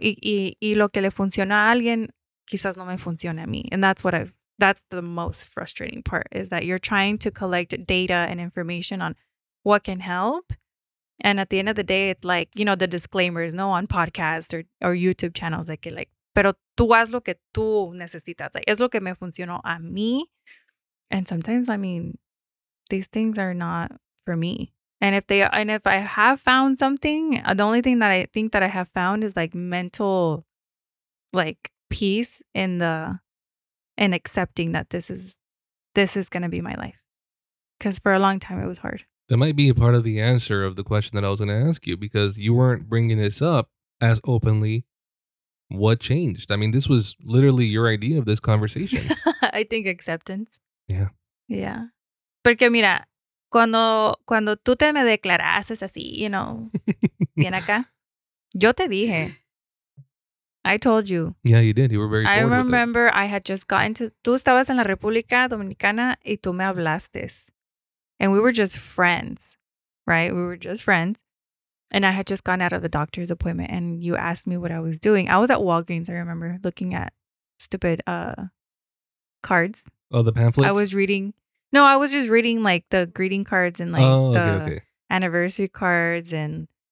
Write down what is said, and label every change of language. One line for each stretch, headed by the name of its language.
Spanish: Y lo que le funciona a alguien, quizás no me funcione a mí.
English: And that's what I've. That's the most frustrating part, is that you're trying to collect data and information on what can help. And at the end of the day, it's like, you know, the disclaimers, no, on podcasts or YouTube channels, like,
Spanish: pero tú haz lo que tú necesitas. Like, es lo que me funcionó a mí.
English: And sometimes, I mean, these things are not for me. And if I have found something, the only thing that I think that I have found is like mental, like peace in the... And accepting that this is going to be my life. Because for a long time, it was hard. That might be a part of the answer of the question that I was going to ask you, because you weren't bringing this up as openly. What changed? I mean, this was literally your idea of this conversation. I think acceptance. Yeah.
Spanish: Yeah. Porque mira, cuando tú te me declaraste así, you know, bien acá, yo te dije...
English: I told you. Yeah, you did. You were very I remember I had just gotten to...
Spanish: Tú estabas en la República Dominicana y tú me hablaste.
English: And we were just friends, right? We were just friends. And I had just gone out of a doctor's appointment and you asked me what I was doing. I was at Walgreens, I remember, looking at stupid cards. Oh, the pamphlets? I was reading... No, I was just reading like the greeting cards and like anniversary cards and...